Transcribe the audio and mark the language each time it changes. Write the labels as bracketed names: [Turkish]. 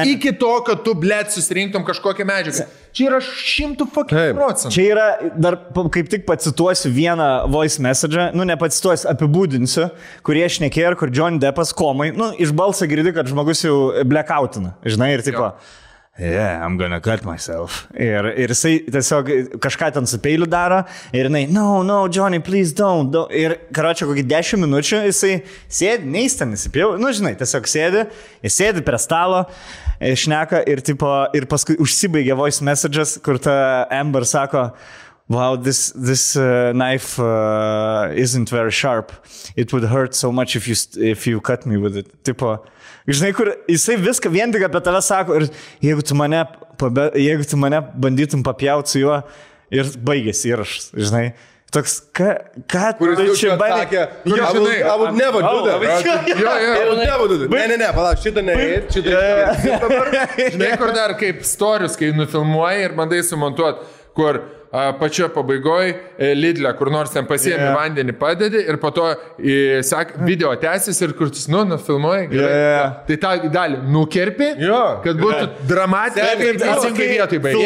[Lithuanian] iki to, kad tu, blėt, susirinktum kažkokią medžiagą. Čia yra 100%. Čia yra, dar kaip tik pacituosiu vieną voice message'ą, nu ne pacituosiu, apibūdinsiu, kurie šnekėjo ir kur Johnny Deppas komai, nu iš balsą girdi, kad žmogus jau blackoutina, žinai, ir tipo... [English] Yeah, I'm gonna cut myself. [Lithuanian] Ir jisai tiesiog kažką ten su peiliu daro, ir jinai, [English] no, Johnny, please don't. [Lithuanian] Ir, karočio, kokį 10 minučių jisai sėdi, neįstamėsi, nu, žinai, tiesiog sėdi, jis sėdi prie stalo, šneka, ir, tipo, ir paskui užsibaigė voice messages, kur ta Amber sako, [English] wow, this knife isn't very sharp. It would hurt so much if you cut me with it. [Lithuanian] Tipo, žinai, kur jisai viską vien tik apie tave sako, ir jeigu tu mane bandytum papjauti su juo, ir baigėsi įrašas, žinai. Toks, ką tu čia bandė? Kuris jau atsakė, [English] I would never do that. [Lithuanian] Ne, palauk, šitą nereit, šitą nereit. Žinai, kur dar kaip storius, kai nufilmuoji ir bandai sumontuot, kur pačio pabaigoj Lidlę, kur nors ten pasiėmė vandenį padedi ir po to video tęsis ir kur tu, nu filmuoji, tai tą dalį nukerpi, kad būtų dramatiškai teisingai vietoj baigė.